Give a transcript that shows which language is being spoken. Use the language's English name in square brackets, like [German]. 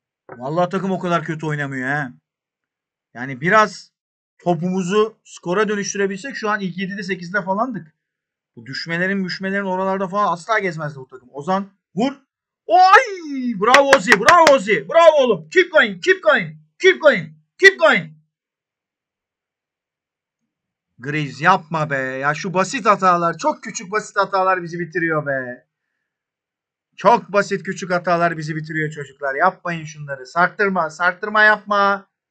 [Turkish] Vallahi takım o kadar kötü oynamıyor ha. Yani biraz topumuzu skora dönüştürebilsek şu an ilk 7'de 8'de falandık. Bu düşmelerin oralarda falan asla gezmezdi bu takım. Ozan vur. Oy! Bravo Ozi, bravo Ozi, bravo oğlum. [English] Keep going, keep going, keep going, keep going. [Turkish] Griz yapma be. Ya şu basit hatalar, çok küçük basit hatalar bizi bitiriyor be. Çok basit küçük hatalar bizi bitiriyor çocuklar. Yapmayın şunları. Sarktırma, sarktırma yapma.